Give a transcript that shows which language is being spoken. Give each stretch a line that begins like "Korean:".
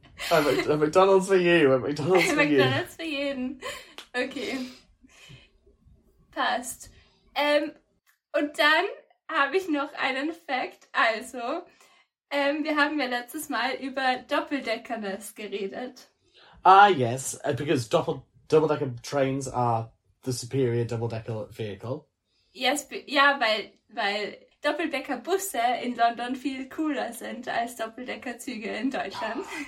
English: A McDonald's für you, a McDonald's für you.
German: McDonald's für jeden. Okay. Passt. Und dann habe ich noch einen Fact, also... wir haben ja letztes Mal über Doppeldeckernes geredet.
English: Ah, yes, because double-decker trains are the superior double-decker vehicle.
German: Yes, weil Doppeldecker-Busse in London viel cooler sind als Doppeldecker-Züge in Deutschland.